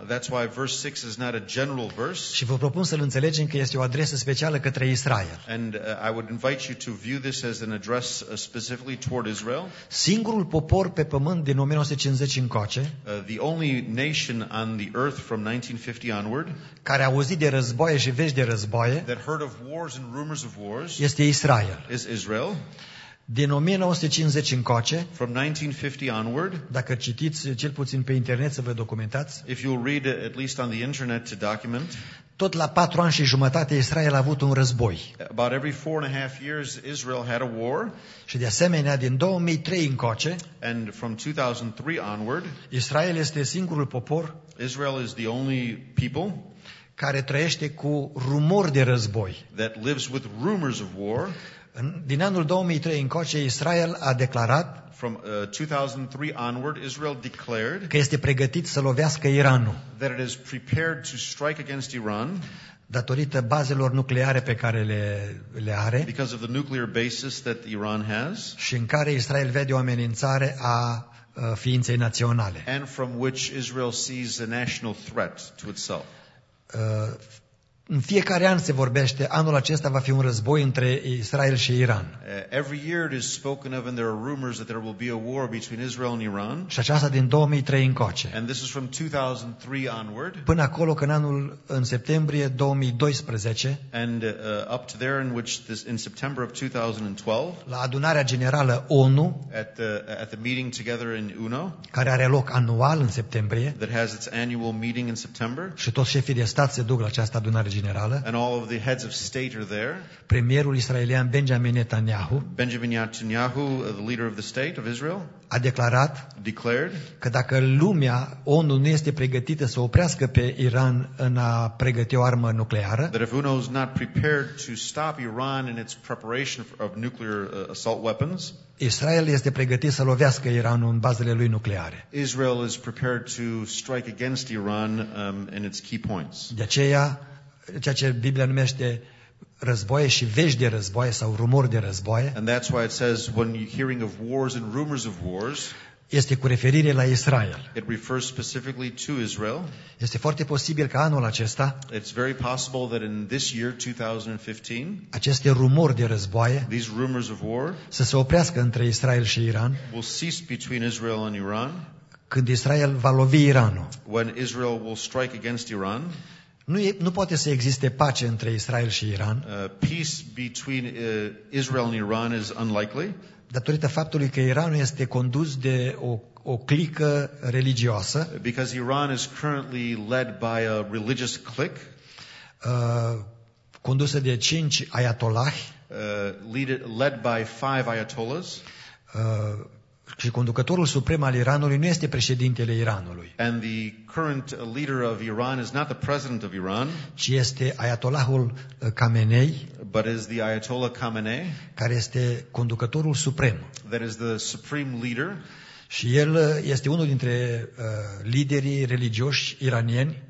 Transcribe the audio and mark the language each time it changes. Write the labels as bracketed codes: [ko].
[en] That's why verse 6 is not a general verse. [ro] Și vă propun să-l înțelegem că este o adresă specială către Israel. [en] And I would invite you to view this as an address specifically toward Israel. [ro] Singurul popor pe pământ din 1950 încoace, [en] the only nation on the earth from 1950 onward, [ro] care a auzit de războaie și vești de războaie, [en] that heard of wars and rumors of wars, [ro] este Israel. [en] Is Israel. [ro] Din 1950 încoace, [en] from 1950 onward, [ro] dacă citiți cel puțin pe internet să vă documentați, [en] if you'll read at least on the internet to document, [ro] tot la 4 ani și jumătate Israel a avut un război. [en] About every 4.5 years Israel had a war. [ro] Și de asemenea din 2003 încoace, [en] and from 2003 onward, [ro] Israel este singurul popor, [en] Israel is the only people, [ro] care trăiește cu rumori de război. [en] That lives with rumors of war. [ro] Din anul 2003 încoace Israel a declarat, [en] from 2003 onward, Israel declared, [ro] că este pregătit să lovească Iranul. [en] That it is prepared to strike against Iran, [ro] datorită bazelor nucleare pe care le are, [en] because of the nuclear basis that Iran has, [ro] și în care Israel vede o amenințare a ființei naționale. [en] And from which Israel sees a national threat to itself. [ro] În fiecare an se vorbește, anul acesta va fi un război între Israel și Iran. [en] Every year it is spoken of and there are rumors that there will be a war between Israel and Iran. [ro] Și aceasta din 2003 încoace. [en] And this is from 2003 onward. [ro] Până acolo că în septembrie 2012. [en] And up to there in which this in September of 2012. [ro] La adunarea generală ONU. [en] At the meeting together in UNO. [ro] Care are loc anual în septembrie. [en] That has its annual meeting in September. [ro] Și toți șefii de stat se duc la această adunare generală. [en] And all of the heads of state are there. [ro] Premierul israelian Benjamin Netanyahu. [en] Benjamin Netanyahu, the leader of the state of Israel, [ro] a declarat, [en] declared, [ro] că dacă lumea, ONU nu este pregătită să oprească pe Iran în a pregăti o armă nucleară, [en] that if UNO is not prepared to stop Iran in its preparation of nuclear assault weapons, [ro] Israel este pregătit să lovească Iranul în bazele lui nucleare. [en] Israel is prepared to strike against Iran in its key points. [ro] De aceea ceea ce Biblia numește războaie și vești de războaie sau rumori de războaie. [en] And that's why it says when you're hearing of wars and rumors of wars. [ro] Este cu referire la Israel. [en] It refers specifically to Israel. [ro] Este foarte posibil ca anul acesta. [en] It's very possible that in this year 2015. [ro] Aceste rumori de războaie. [en] These rumors of war. [ro] Să se oprească între Israel și Iran. [en] Will cease between Israel and Iran. [ro] Când Israel va lovi Iranul. [en] When Israel will strike against Iran. [ro] Nu poate să existe pace între Israel și Iran. [en] Peace between Israel and Iran is unlikely. [ro] Datorită faptului că Iranul este condus de o clică religioasă. [en] Because Iran is currently led by a religious clique. [ro] Condusă de 5 ayatollahi. [en] Led by 5 ayatollahs. [ro] Și conducătorul suprem al Iranului nu este președintele Iranului. [en] And the current leader of Iran is not the president of Iran, [ro] ci este Ayatollahul Khamenei, [en] but is the Ayatollah Khamenei, [ro] care este conducătorul suprem. [en] That is the supreme leader. [ro] Și el este unul dintre liderii religioși iranieni.